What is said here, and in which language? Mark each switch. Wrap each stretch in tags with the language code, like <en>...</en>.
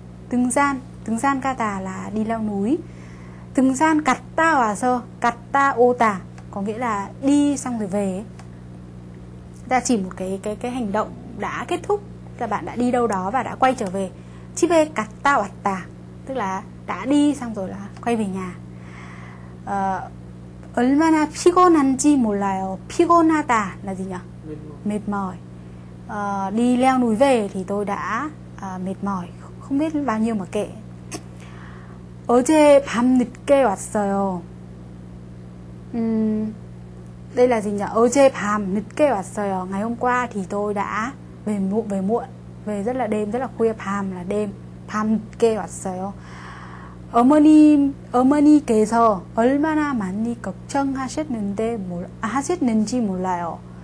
<ko>등산 가다</ko> <vi>là đi leo núi.</vi> <ko>등산 갔다 와서 갔다 오다</ko> <vi>có nghĩa là đi xong rồi về. Ta chỉ một cái hành động đã kết thúc, là bạn đã đi đâu đó và đã quay trở về.</vi> <ko>집에 갔다 왔다</ko> <vi>tức là đã đi xong rồi là quay về nhà.</vi> <ko>얼마나 피곤한지 몰라요.</ko> <vi>피곤하다 là gì nhỉ? Mệt mỏi. Đi leo núi về thì tôi đã mệt mỏi, không biết bao nhiêu mà kệ.</vi> <ko>어젯밤 늦게 왔어요.</ko> <vi>Đây là gì nhỉ?</vi> <ko>어젯밤 늦게 왔어요.</ko> <vi>Ngày hôm qua thì tôi đã về muộn, về rất là đêm, rất là khuya. 밤 là đêm.</vi> <ko>밤 늦게 왔어요. 어머니께서 얼마나 많이 걱정하셨는지 몰라요.</ko>